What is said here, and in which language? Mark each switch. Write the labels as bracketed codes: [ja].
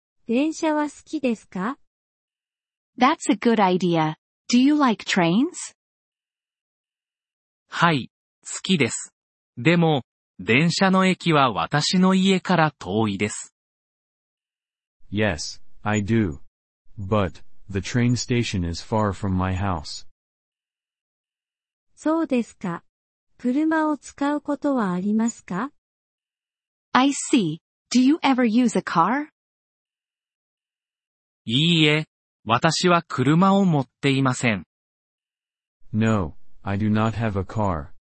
[ja] 電車は好きですか? [en] That's a good idea. Do you like trains? [ja] はい、好きです。でも、電車の駅は私の家から遠いです。 [en] Yes, I do. But, the train station is far from my house. [ja] そうですか。車を使うことはありますか? [en] I see. Do you ever use a car? [ja] いいえ、私は車を持っていません。 [en] No, I do not have a car.